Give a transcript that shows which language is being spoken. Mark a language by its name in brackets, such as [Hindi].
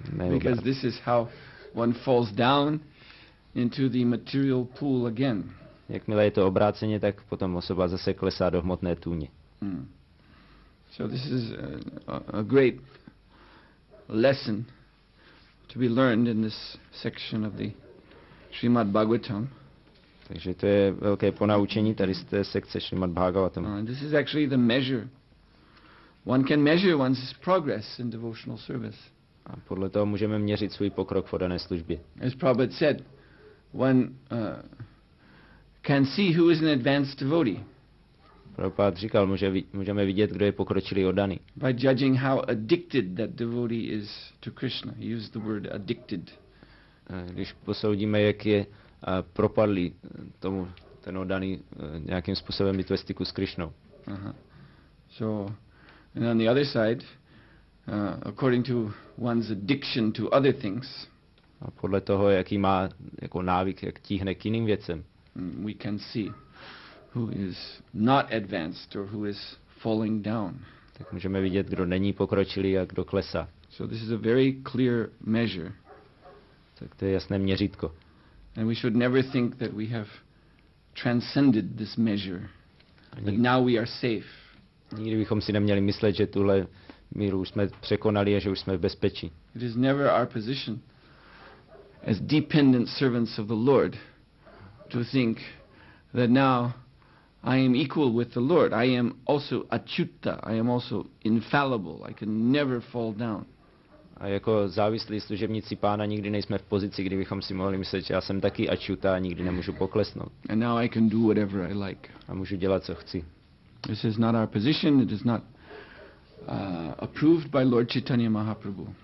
[English] Because this is how one falls down into the material pool again. [Czech] Jakmile je to obráceně, tak potom osoba zase klesá do hmotné tůně. [English] So this is a great lesson to be learned in this section of the Srimad Bhagavatam. [Czech] Takže to je velké ponaučení tady z té sekce Srimad Bhagavatam. [English] This is actually the measure. One can measure one's progress in devotional service. [Czech] A podle toho můžeme měřit svůj pokrok v dané službě. [English] As Prabhupada said, one can see who is an advanced devotee. [Czech] Prabhupada říkal, můžeme vidět, kdo je pokročilý oddaný. [English] By judging how addicted that devotee is to Krishna. He used the word addicted. [Czech] Když posoudíme, jak je propadlý tomu ten oddaný nějakým způsobem být ve styku s Krišnou. [English] So, and on the other side, according to one's addiction to other things. [Czech] A podle toho, jaký má jako návyk, jak tíhne k jiným věcem. [English] We can see who is not advanced or who is falling down. [Czech] Tak můžeme vidět, kdo není pokročilý a kdo klesá. [English] So this is a very clear measure. [Czech] Tak to je jasné měřítko. [English] And we should never think that we have transcended this measure. But now we are safe. [Czech] Nikdy bychom si neměli myslet, že tuhle míru už jsme překonali a že už jsme v bezpečí. [English] It is never our position as dependent servants of the Lord to think that now I am equal with the Lord. I am also achyuta. I am also infallible. I can never fall down. [Czech] A jako závislí služebníci Pána nikdy nejsme v pozici, kdy bychom si mohli myslet, že já jsem taky achyuta a nikdy nemůžu poklesnout. [English] And now I can do whatever I like. [Czech] A můžu dělat, co chci. [English] This is not our position. It is not approved by Lord Chaitanya Mahaprabhu.